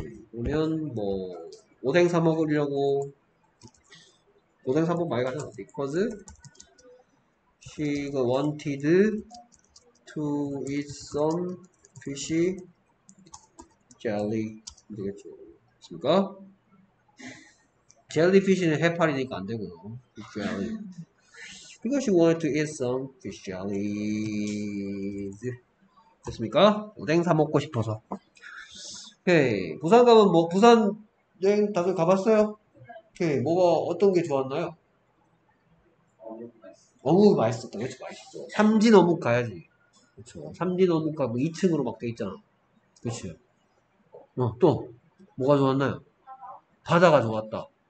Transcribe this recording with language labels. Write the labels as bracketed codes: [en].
[ko] 그러면 뭐 오뎅 사 먹으려고 오뎅 사 먹 많이 가잖아. [en] Because she wanted to eat some fish jelly. [ko] 되겠죠. 그렇습니까? Jellyfish는 해파리니까 안 되고요. Jelly. [en] Because she wanted to eat some fish jelly. [ko] 됐습니까? 오뎅 사 먹고 싶어서. 오케이. 부산 가면 뭐 부산 여행 다들 가봤어요? 오케이. 뭐가 어떤 게 좋았나요? 어묵 맛있었다. 그렇죠. 맛있어. 삼진 어묵 가야지. 그렇죠. 삼진 어묵 가면 2층으로 막 돼 있잖아. 그렇죠. 어, 또 뭐가 좋았나요? 바다가 좋았다.